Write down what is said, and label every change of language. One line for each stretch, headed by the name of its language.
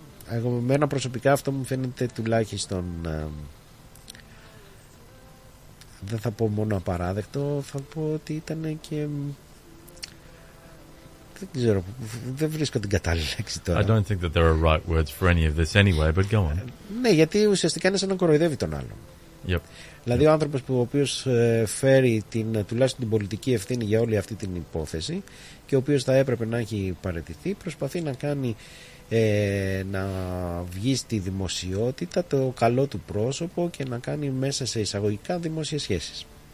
Greek: Εγώ, εμένα προσωπικά αυτό μου φαίνεται τουλάχιστον δεν θα πω μόνο απαράδεκτο, θα πω ότι ήταν και δεν ξέρω, δεν βρίσκω την κατάλληλη λέξη τώρα.
English: I don't think that there are right words for any of this anyway, but go on.
Greek: Ναι, γιατί ουσιαστικά είναι σαν να κοροϊδεύει τον άλλον.
English: Yep.
Greek: Δηλαδή ο άνθρωπος που, ο οποίος φέρει την, τουλάχιστον την πολιτική ευθύνη για όλη αυτή την υπόθεση και ο οποίος θα έπρεπε να έχει παραιτηθεί, προσπαθεί να κάνει να βγει στη δημοσιότητα το καλό του πρόσωπο και να κάνει μέσα σε εισαγωγικά δημόσιες σχέσεις.